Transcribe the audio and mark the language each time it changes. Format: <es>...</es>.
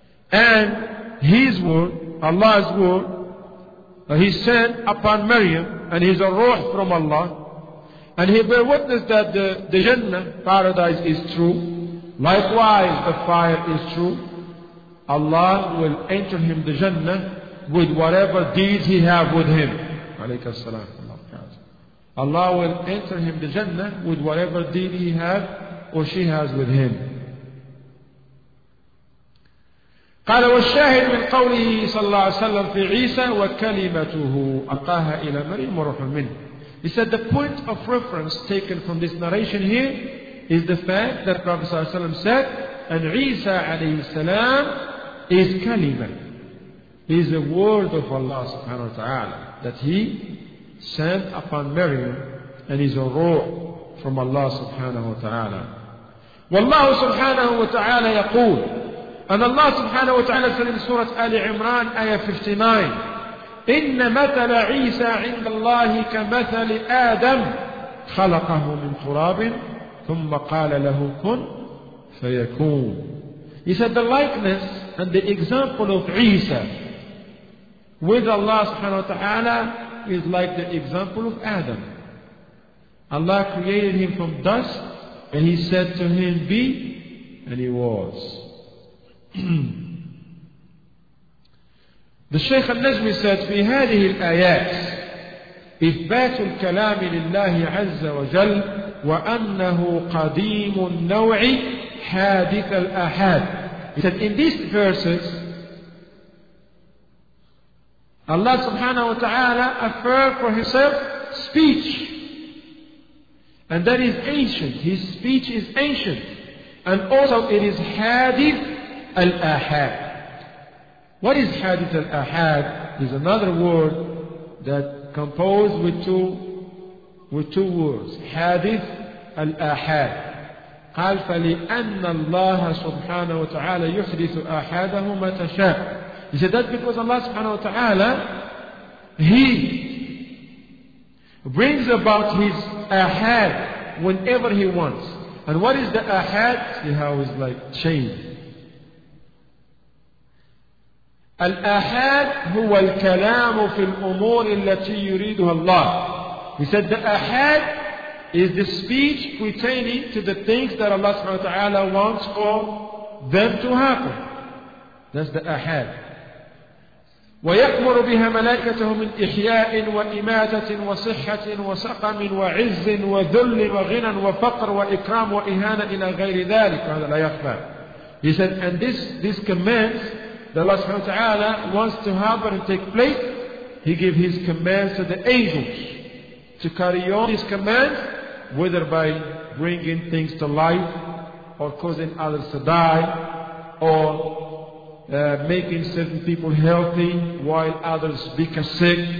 <en>and His word, Allah's word, He sent upon Maryam, and He's a ruh from Allah, and He bear witness that the Jannah, paradise, is true, likewise the fire is true, Allah will enter him the Jannah with whatever deeds he have with him.</en> <ar>Alayka salam.</ar> <en>Allah will enter him the Jannah with whatever deed he have or she has with him.</en> <ar>قال والشاهد من قوله صلى الله عليه وسلم في عيسى وكلمته ألقاها إلى مريم وروح منه.</ar> <en>He said the point of reference taken from this narration here is the fact that Prophet صلى الله عليه وسلم said, and عيسى عليه السلام is كلمة, is the word of Allah سبحانه وتعالى that he sent upon Maryam, and is a ruh from Allah سبحانه وتعالى.</en> <ar>والله سبحانه وتعالى يقول, أن الله سبحانه وتعالى في سورة آل عمران آية 59, إن مثل عيسى عند الله كمثل آدم خلقه من تراب ثم قال له كن فيكون.</ar> <en>He said the likeness And the example of Isa with Allah subhanahu wa ta'ala is like the example of Adam. Allah created him from dust and he said to him, be, and he was. The Shaykh al-Najmi said,</en> <ar>في هذه الآيات إثبات الكلام لله عز وجل وأنه قديم النوع حادث الآحاد.</ar> <en>He said, in these verses, Allah subhanahu wa ta'ala affirmed for himself speech. And that is ancient. His speech is ancient. And also it is hadith al-ahad. What is hadith al-ahad? Is another word that composed with two words. Hadith al-ahad.</en> <ar>قال فلأن الله سبحانه وتعالى يحدث أحاده ما تشاء.</ar> <en>He said that because Allah subhanahu wa ta'ala, He brings about His ahad whenever He wants. And what is the ahad? See how it's like chain.</en> <ar>Al-ahad هو الكلام في الأمور التي يريدها الله.</ar> <en>He said the ahad is the speech pertaining to the things that Allah subhanahu wa ta'ala wants for them to happen. That's the ahad.</en> <ar>ويأمر بها ملائكته من إحياء وإماتة وصحة وسقم وعز وذل وغنى وفقر وإكرام وإهانة إلى غير ذلك. هذا لا يخفى.</ar> <en>He said, and this commands that Allah subhanahu wa ta'ala wants to happen and take place. He gave his commands to the angels to carry on his commands, whether by bringing things to life or causing others to die or making certain people healthy while others become sick.</en>